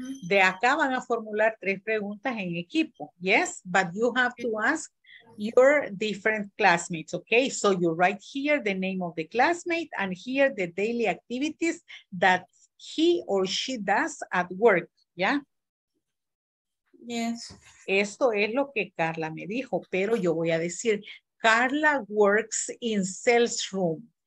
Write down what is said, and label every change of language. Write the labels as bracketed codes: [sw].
[es] De acá van a formular tres preguntas en equipo. [en] Yes, but you have to ask your different classmates, okay? So you write here the name of the classmate and here the daily activities that he or she does at work, ¿ya? Yes. [es] Esto es lo que Carla me dijo, pero yo voy a decir, [en] Carla works in sales room.